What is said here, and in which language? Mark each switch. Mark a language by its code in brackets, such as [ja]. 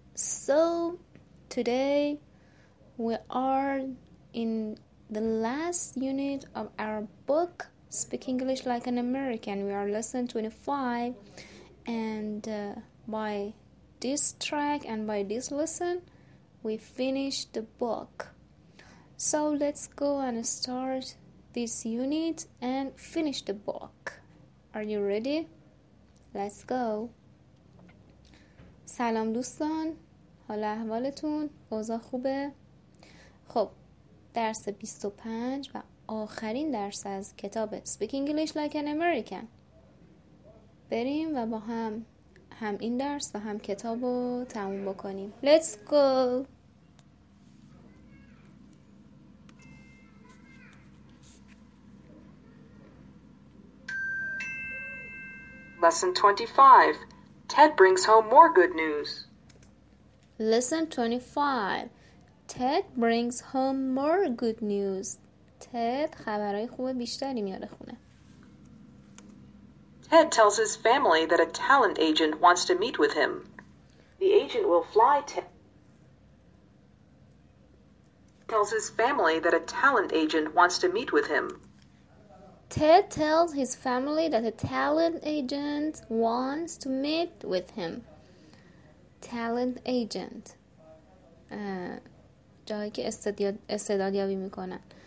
[en] So, today we are in the last unit of our book, Speak English Like an American. We are lesson 25, and by this track and by this lesson, we finished the book. So, let's go and start this unit and finish the book. Are you ready? Let's go. [fa] سلام دوستان، حال احوالتون؟ اوضاع خوبه؟ خب، درس 25 و آخرین درس از کتاب Speak English Like an American. بریم و با هم این درس و هم کتاب رو تموم بکنیم. [en] Let's go. Lesson 25. Ted brings home more good news. Lesson 25. Ted brings home more good news. [fa] Ted خبرهای خوب بیشتری میاره خونه. [en] Ted tells his family that a talent agent wants to meet with him. The agent will fly Ted. Tells his family that a talent agent wants to meet with him. Ted tells his family that a talent agent wants to meet with him. Talent agent. [fa] جایی که استعدادیابی میکنن.